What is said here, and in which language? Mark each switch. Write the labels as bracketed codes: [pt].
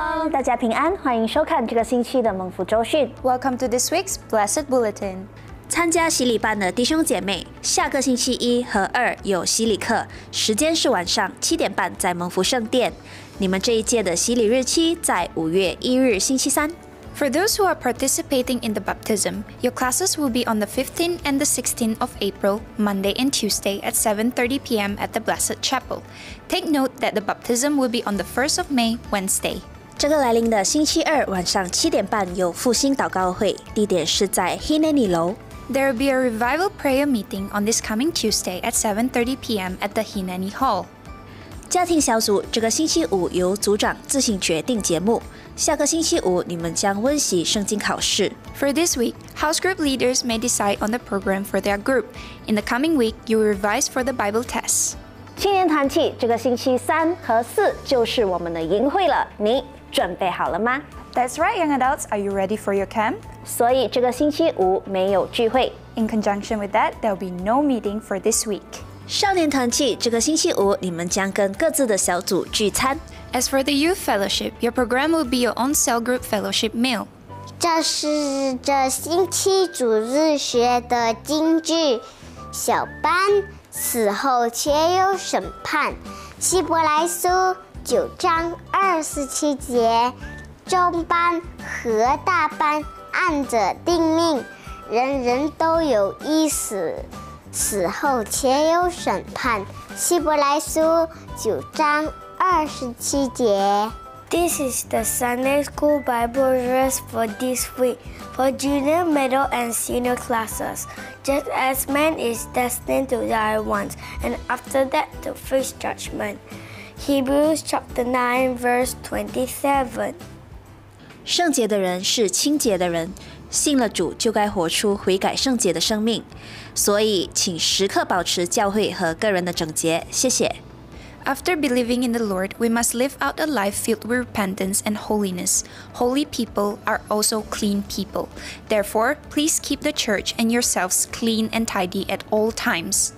[zh] 大家平安，欢迎收看这个星期的蒙福周讯。 [en] Welcome to this week's Blessed Bulletin. [zh] 参加洗礼班的弟兄姐妹，下个星期一和二有洗礼课，时间是晚上7:30在蒙福圣殿。你们这一届的洗礼日期在5月1日星期三。 [en] For those who are participating in the baptism, your classes will be on the 15th and the 16th of April, Monday and Tuesday at 7:30 p.m. at the Blessed Chapel. Take note that the baptism will be on the 1st of May, Wednesday. [zh] 这个来临的星期二晚上7:30有复兴祷告会，地点是在 Hineni 楼。 [en] There will be a revival prayer meeting on this coming Tuesday at 7:30 p.m. at the Hineni Hall. [zh] 家庭小组这个星期五由组长自行决定节目，下个星期五你们将温习圣经考试。 [en] For this week, house group leaders may decide on the program for their group. In the coming week, you will revise for the Bible test. [zh] 青年团契这个星期三和四就是我们的营会了，你准备好了吗？ [en] That's right, young adults, are you ready for your camp? [zh] 所以这个星期五没有聚会。 [en] In conjunction with that, there'll be no meeting for this week. [zh] 少年团契这个星期五你们将跟各自的小组聚餐。 [en] As for the youth fellowship, your program will be your own cell group fellowship meal. [zh] 这是这星期主日学的京剧小班，死后且有审判，希伯来书9:27，中班和大班按着定命，人人都有一死，死后且有审判，希伯来书9:27。 [en] This is the Sunday School Bible verse for this week for junior, middle, and senior classes. Just as man is destined to die once, and after that, the first judgment. Hebrews chapter 9, verse 27. [zh] 圣洁的人是清洁的人，信了主就该活出悔改圣洁的生命。所以，请时刻保持教会和个人的整洁。谢谢。 [en] After believing in the Lord, we must live out a life filled with repentance and holiness. Holy people are also clean people. Therefore, please keep the church and yourselves clean and tidy at all times.